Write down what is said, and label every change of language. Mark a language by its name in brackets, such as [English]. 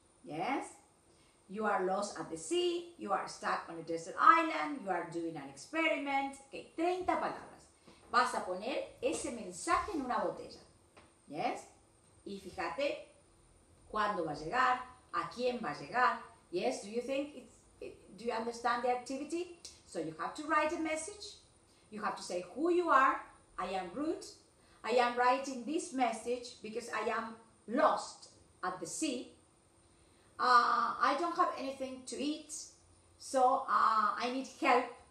[English] Yes, you are lost at the sea, you are stuck on a desert island, you are doing an experiment. [Spanish] Okay, 30 palabras. Vas a poner ese mensaje en una botella. Yes, y fíjate cuándo va a llegar, a quién va a llegar. [English] Yes, do you think, do you understand the activity? So you have to write a message. You have to say who you are. I am Ruth. I am writing this message because I am lost at the sea. I don't have anything to eat, so I need help.